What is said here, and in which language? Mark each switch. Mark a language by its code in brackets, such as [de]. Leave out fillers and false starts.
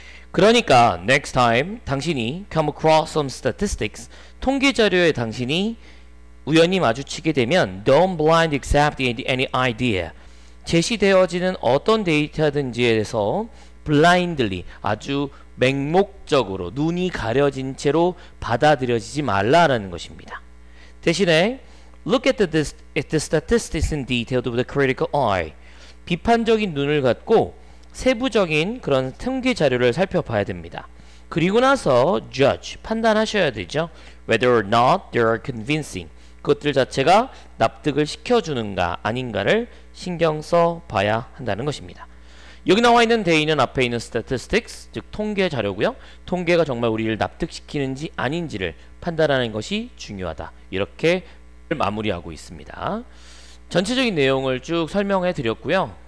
[ko] 그러니까 [en] next time [ko] 당신이 [en] come across some statistics [ko] 통계 자료에 당신이 우연히 마주치게 되면 [en] don't blind accept any idea [ko] 제시되어지는 어떤 데이터든지에 대해서 blindly 아주 맹목적으로 눈이 가려진 채로 받아들여지지 말라라는 것입니다. [en] 대신에 look at the statistics in detail with a critical eye [ko] 비판적인 눈을 갖고 세부적인 그런 통계 자료를 살펴봐야 됩니다. 그리고 나서 [en] judge [ko] 판단하셔야 되죠. [en] whether or not they are convincing [ko] 그것들 자체가 납득을 시켜주는가 아닌가를 신경 써 봐야 한다는 것입니다. 여기 나와 있는 데이는 앞에 있는 statistics, 즉 통계 자료고요. 통계가 정말 우리를 납득시키는지 아닌지를 판단하는 것이 중요하다. 이렇게 마무리하고 있습니다. 전체적인 내용을 쭉 설명해 드렸고요.